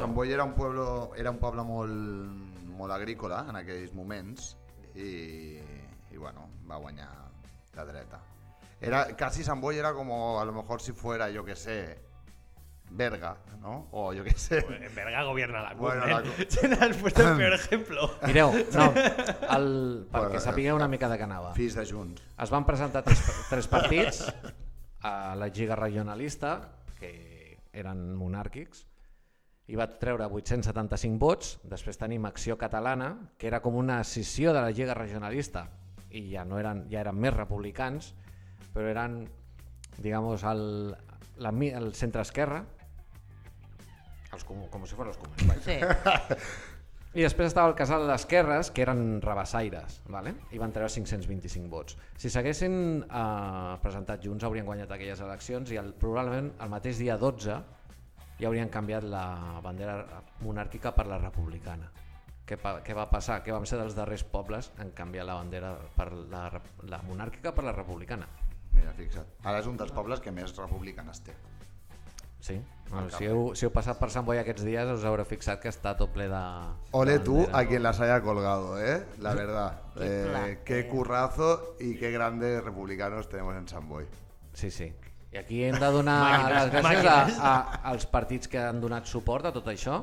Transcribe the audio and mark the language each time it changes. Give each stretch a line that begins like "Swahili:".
Catalan: Sant Boi era un poble molt agrícola en aquells moments i bueno, va guanyar la dreta. Era quasi Sant Boi era com
Spanish: a lo mejor si fuera,
Catalan: jo que sé, Berga, ¿no? O jo que sé.
Spanish: Berga gobierna la CUP. Bueno, has puesto el peor ejemplo.
Catalan: Mireu, no, perquè bueno, sapigueu una mica de què anava. Fills de Junts. Es van presentar tres partits a la Lliga Regionalista, que eren monàrquics, i va treure 875 vots. Després tenim Acció Catalana, que era com una escissió de la Lliga Regionalista, i ja eren més republicans, però eren, digamos, el centre esquerra, com si fossin els comuns. Sí. I després estava el Casal d'Esquerres, que eren rabassaires, vale? I van treure 525 vots. Si s'haguessin presentat junts, haurien guanyat aquelles eleccions i probablement el mateix dia 12 ja haurien canviat la bandera monàrquica per la republicana. Què va passar? Què vam ser dels darrers pobles en canviar la bandera per la monàrquica per la republicana? Mira, fixa't. Ara és un dels pobles que més republicanes té. Sí? Bueno, si heu passat per Sant Boi aquests dies us haureu fixat que està tot ple de...
Spanish: Ole tu a quien las haya colgado, la verdad. Qué currazo y qué grandes republicanos tenemos en Sant Boi. Sí, sí.
Catalan: I aquí hem de donar les gràcies als partits que han donat suport a tot això.